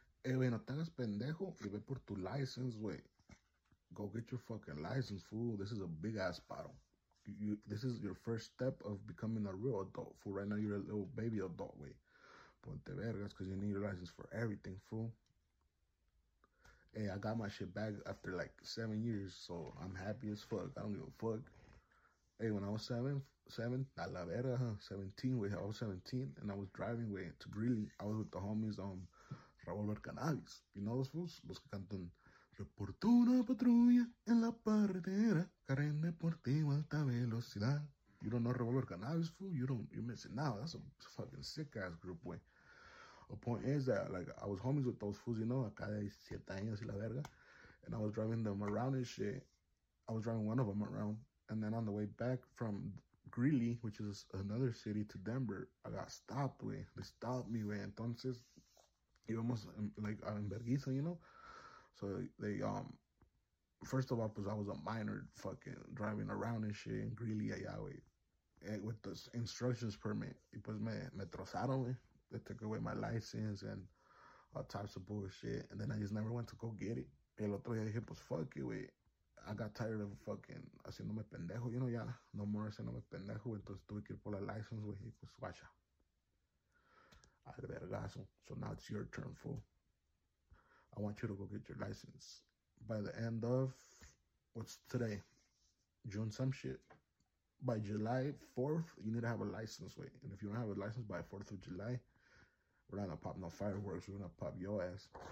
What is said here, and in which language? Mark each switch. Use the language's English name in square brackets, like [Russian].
[Spanish] No te hagas pendejo y ve por tu license, güey. [English] Go get your fucking license, fool. This is a big ass paro. This is your first step of becoming a real adult, fool. Right now, you're a little baby adult, güey. [Spanish] Ponte vergas, [English] because you need your license for everything, fool. Hey, I got my shit back after like 7 years, so I'm happy as fuck. I don't give a fuck. Hey, when I was seven, [Spanish] a la vera, [English] huh? 17, güey. I was 17 and I was driving, way to Greeley. I was with the homies, Revolver Cannabis. You know those fools? [Spanish] Los que cantan. Reportó una patrulla en la carretera. Carrera deportiva alta velocidad. [English] You don't know Revolver Cannabis, fool? You're missing out. That's a fucking sick ass group, güey. The point is that, like, I was homies with those fools, you know, [Spanish] acá de 17 años y la verga. [English] And I was driving them around and shit. I was driving one of them around. And then on the way back from Greeley, which is another city, to Denver, I got stopped, güey. They stopped me, güey. [Spanish] Entonces, íbamos, like, en vergüenza, [English] you know? So, they, first of all, because I was a minor fucking driving around and shit in Greeley, allá, güey. With the instructions permit. [Spanish] Y pues me trozaron, güey. [English] They took away my license and all types of bullshit. And then I just never went to go get it. [Spanish] El otro día dije, pues, [English] fuck it, güey. I got tired of fucking [Spanish] haciéndome pendejo, [English] you know, ya. No more [Spanish] haciéndome pendejo. Entonces tuve que ir por la license, güey. Y pues, guacha. Al vergazo. [English] So now it's your turn, fool. I want you to go get your license. By the end of, what's today? June some shit. By July 4th, you need to have a license, wait. And if you don't have a license by 4th of July, we're not gonna pop no fireworks. We're gonna pop your ass.